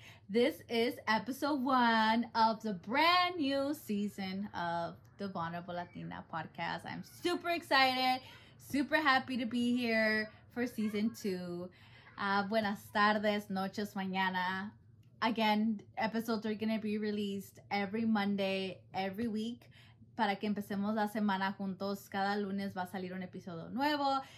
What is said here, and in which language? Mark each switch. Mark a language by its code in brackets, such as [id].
[en] This is episode one of the brand new season of the Vulnerable Latina podcast. I'm super excited, super happy to be here for season two. [es] Buenas tardes, noches, mañana. [en] Again, episodes are going to be released every Monday, every week. [es] Para que empecemos la semana juntos, cada lunes va a salir un episodio nuevo.